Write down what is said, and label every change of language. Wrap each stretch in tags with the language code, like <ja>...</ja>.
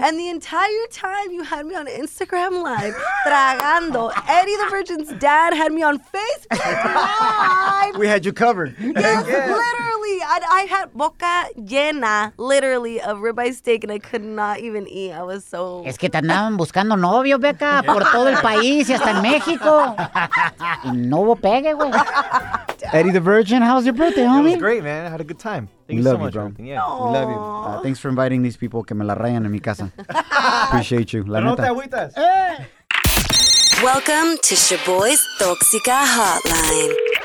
<en>And the entire time you had me on Instagram Live,</en> <es>tragando.</es> <en>Eddie the Virgin's dad had me on Facebook Live. We had you covered. Yes. Literally. I had</en> <es>boca llena,</es> <en>literally, of ribeye steak, and I could not even eat. I was so...</en> <es>Es que te andaban buscando novio, Becca, por todo el país y hasta en México. Y no hubo pegue, güey.</es> <en>Eddie the Virgin, how was your birthday, homie? It was great, man. I had a good time. Thank we you love so much, bro. Yeah, we love you. Thanks for inviting these people</en> <es>que me la rayan en mi casa.</es> <en>Appreciate you. La</en> <es>no te agüitas.</es> <en>Welcome to Shaboy's Tóxica Hotline.</en>